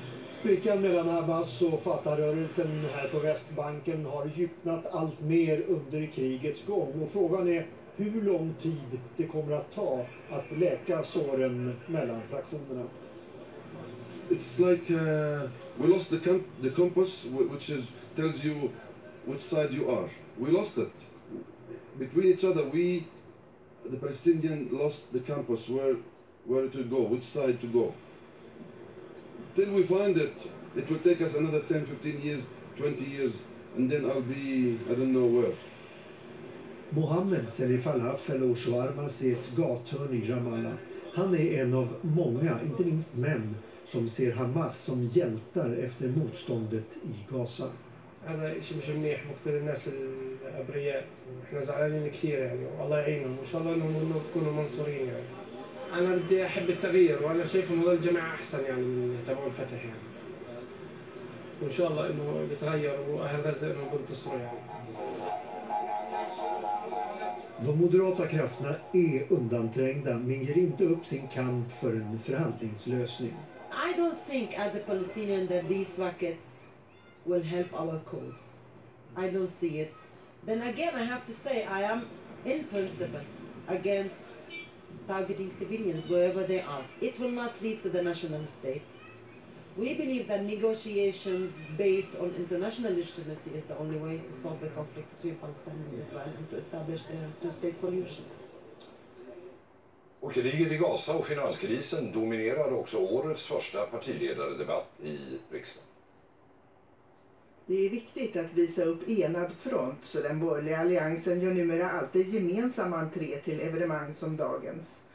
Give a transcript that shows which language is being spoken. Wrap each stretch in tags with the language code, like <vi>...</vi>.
<sv>Sprickan mellan Hamas och Fatah-rörelsen här på Västbanken har djupnat allt mer under krigets gång. Och frågan är hur lång tid det kommer att ta att läka såren mellan fraktionerna.</sv> <en>It's like we lost the compass which is tells you which side you are. We lost it. Between each other we, the Palestinian, lost the compass where to go, which side to go. Till we find it, it will take us another 10, 15 years, 20 years, and then I'll be, I don't know where.</en> <sv>Mohammed Salih Falafel och Shawarma ser ett gathörn i Ramallah. Han är en av många, inte minst män, som ser Hamas som hjältar efter motståndet i Gaza. Det är en sak som är bra för de här människorna. Vi är mycket glada. Alla är inne. Inshallah, de kommer att vara sorgiga.</sv> <ar>انا بدي احب التغيير وانا شايف انه الجماعه احسن يعني من تبعون فتح يعني وان شاء الله انه بيتغير واهل غزه انه بنتصروا يعني.</ar> <sv>De moderata krafterna är undanträngda men ger inte upp sin kamp för en förhandlingslösning.</sv> <en>I don't think as a Palestinian that these rockets will help our cause. I don't see it. Then again I have to say I am in principle against targeting civilians wherever they are. It will not lead to the national state. We believe that negotiations based on international legitimacy is the only way to solve the conflict between Palestine and Israel and to establish the two-state solution.</en> <sv>Och kriget i Gaza och finanskrisen dominerar också årets första partiledardebatt i riksdagen. Det är viktigt att visa upp enad front, så den borgerliga alliansen gör numera alltid gemensamma entré till evenemang som dagens.</sv>